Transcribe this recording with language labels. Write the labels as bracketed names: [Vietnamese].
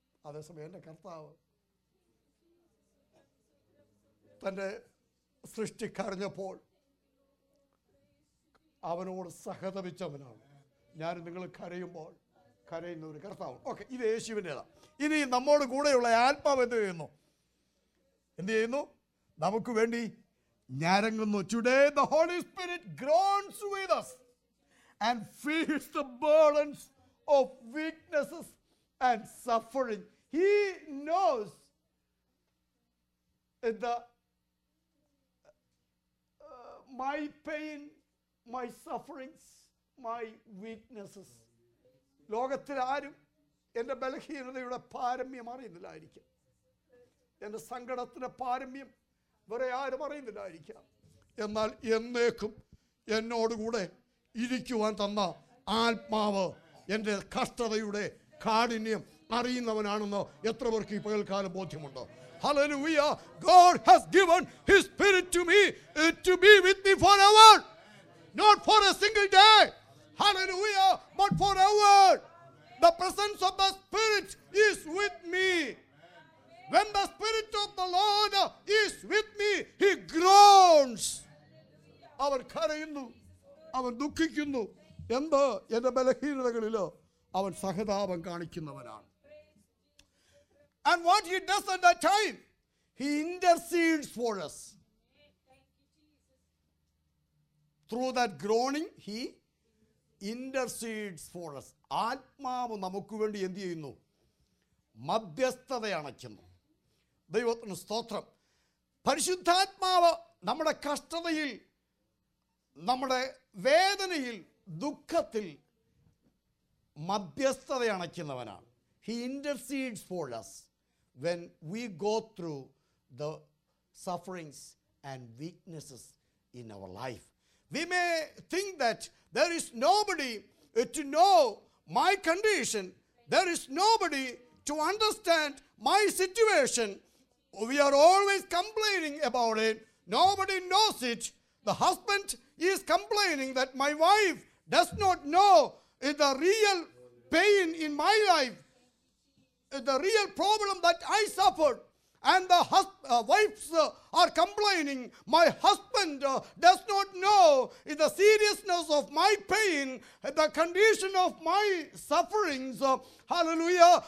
[Malayalam] അതേസമയം എൻ്റെ കർത്താവ് തൻ്റെ സൃഷ്ടി കരഞ്ഞപ്പോൾ അവനോട് സഹതപിച്ചവനാണ്. ഞാൻ നിങ്ങൾ കരയുമ്പോൾ കരയുന്ന ഒരു കർത്താവ്. ഓക്കെ, ഇത് യേശുവിൻ്റെതാ. ഇനി നമ്മോട് കൂടെയുള്ള ആത്മാവ് എന്ത് ചെയ്യുന്നു? എന്ത് ചെയ്യുന്നു? നമുക്ക് വേണ്ടി ഞരങ്ങുന്നു. [English] Today the Holy Spirit groans with us and feels the burdens of weaknesses and suffering. He knows the my pain, my sufferings, my weaknesses. [Malayalam] ലോകത്തിൽ ആരും എൻ്റെ ബലഹീനതയുടെ പാരമ്യം അറിയുന്നില്ലായിരിക്കും. എൻ്റെ സങ്കടത്തിൻ്റെ പാരമ്യം വേറെ ആരും അറിയുന്നില്ലായിരിക്കാം. എന്നാൽ എന്നേക്കും എന്നോടുകൂടെ ഇരിക്കുവാൻ തന്ന ആത്മാവ് എൻ്റെ കഷ്ടതയുടെ കാഠിന്യം അറിയുന്നവനാണെന്ന് എത്ര പേർക്ക് ഈ പകൽക്കാലം ബോധ്യമുണ്ട്? [English] Hallelujah. God has given His Spirit to me to be with me forever. Not for a single day. Hallelujah. But forever. The presence of the Spirit is with me. When the Spirit of the Lord is with me, He groans. [Malayalam] അവൻ കരയുന്നു, അവൻ ദുഃഖിക്കുന്നു. എന്ത്? എന്റെ ബലഹീനതകളിൽ അവൻ സഹതാപം കാണിക്കുന്നവനാണ്. [English] And what he does at that time, he intercedes for us. Through that groaning, he intercedes for us. [Malayalam] ആത്മാവ് നമുക്ക് വേണ്ടി എന്ത് ചെയ്യുന്നു? മധ്യസ്ഥത അണയ്ക്കുന്നു. ദൈവത്തിന് സ്തോത്രം. പരിശുദ്ധാത്മാവ് നമ്മുടെ കഷ്ടതയിൽ, നമ്മുടെ വേദനയിൽ, ദുഃഖത്തിൽ മധ്യസ്ഥത അണയ്ക്കുന്നവനാണ്. [English] He intercedes for us when we go through the sufferings and weaknesses in our life. We may think that there is nobody to know my condition, there is nobody to understand my situation. We are always complaining about it. Nobody knows it. The husband is complaining that my wife does not know the real pain in my life, the real problem that I suffered. And the wives are complaining, my husband does not know the seriousness of my pain, the condition of my sufferings. Hallelujah.